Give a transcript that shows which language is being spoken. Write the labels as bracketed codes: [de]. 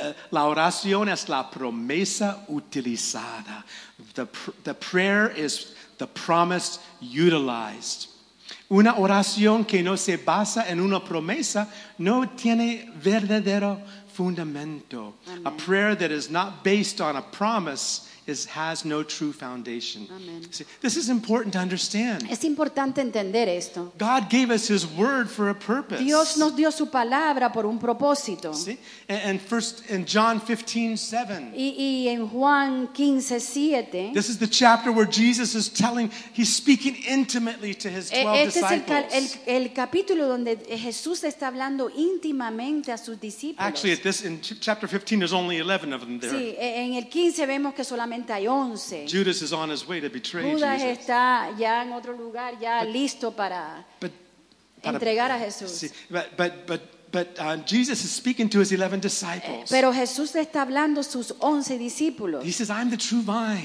[es] La oración es la promesa utilizada. [en] The prayer is the promise utilized. [es] Una oración que no se basa en una promesa no tiene verdadero fundamento. [en] Amen. A prayer that is not based on a promise has no true foundation. Amen. See, this is important to understand. [es] Es importante entender esto. [en] God gave us his word for a purpose. [es] Dios nos dio su palabra por un propósito. [en] See? And first in John 15:7. [es] Y en Juan 15:7. [en] This is the chapter where Jesus is telling, he's speaking intimately to his 12 [es] este [en] disciples. [es] Es el capítulo donde Jesús está hablando íntimamente a sus discípulos. [en] Actually, in chapter 15 there's only 11 of them there. [es] Sí, en el 15 vemos que solamente [en] Judas is on his way to betray [es] Judas [en] Jesus. [es] Está ya en otro lugar, ya listo para entregar a Jesús. [en] But Jesus is speaking to his 11 disciples. [es] Pero Jesús está hablando a sus 11 discípulos. [en] He says, I'm the true vine.